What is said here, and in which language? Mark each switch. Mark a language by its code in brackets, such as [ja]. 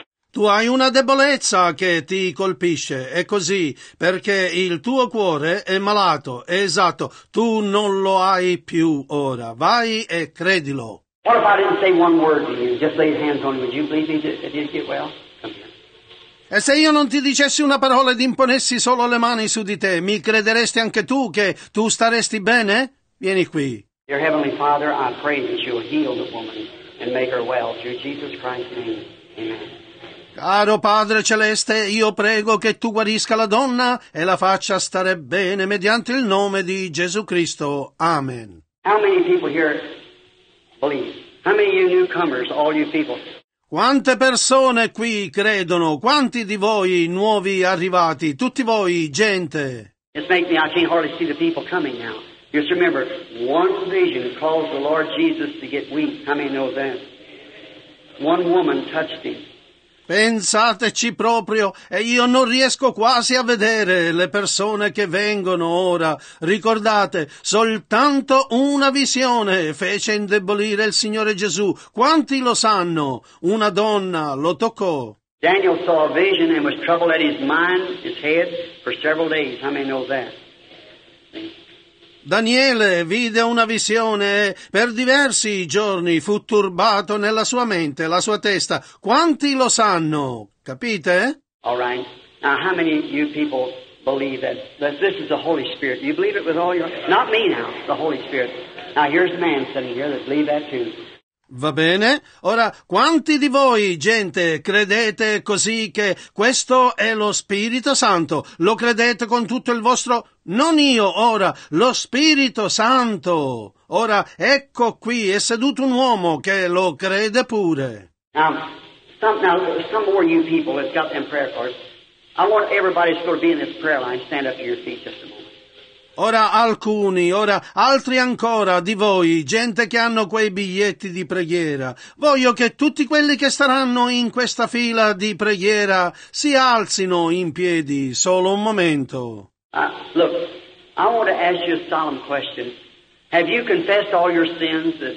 [it] Tu hai una debolezza che ti colpisce, è così, perché il tuo cuore è malato, è esatto, tu non lo hai più ora, vai e credilo. [en] What if I didn't say one word to you, just laid hands on you, would you believe he did get well? [it] E se io non ti dicessi una parola ed imponessi solo le mani su di te, mi crederesti anche tu che tu staresti bene? Vieni qui. [en] Dear Heavenly Father, I pray that you will heal the woman and make her well through Jesus Christ's name. Amen. [it] Caro Padre Celeste, io prego che tu guarisca la donna e la faccia stare bene mediante il nome di Gesù Cristo. Amen. [en] How many people here believe? How many of you newcomers, all you people? [it] Quante persone qui credono? Quanti di voi nuovi arrivati? Tutti voi, gente. [en] Just make me, I can't hardly see the people coming now. Just remember, one vision caused the Lord Jesus to get weak. How many know that? One woman touched him. [it] Pensateci proprio, e io non riesco quasi a vedere le persone che vengono ora. Ricordate, soltanto una visione fece indebolire il Signore Gesù. Quanti lo sanno? Una donna lo toccò. [en] Daniel saw a vision and was troubled at his mind, his head, for several days. How many know that? [it] Daniele vide una visione e per diversi giorni fu turbato nella sua mente, la sua testa. Quanti lo sanno? Capite? [en] All right. Now, how many of you people believe that this is the Holy Spirit? Do you believe it with all your... Not me now, the Holy Spirit. Now, here's a man sitting here that believe that too. [it] Va bene. Ora, quanti di voi, gente, credete così che questo è lo Spirito Santo? Lo credete con tutto il vostro... Non io, ora, lo Spirito Santo. Ora, ecco qui, è seduto un uomo che lo crede pure. [en] Now, some more you people have got them prayer cards. I want everybody to be in this prayer line. Stand up to your feet just a moment. [it] Ora altri ancora di voi, gente che hanno quei biglietti di preghiera. Voglio che tutti quelli che staranno in questa fila di preghiera si alzino in piedi, solo un momento. [en] Look, I want to ask you a solemn question. Have you confessed all your sins?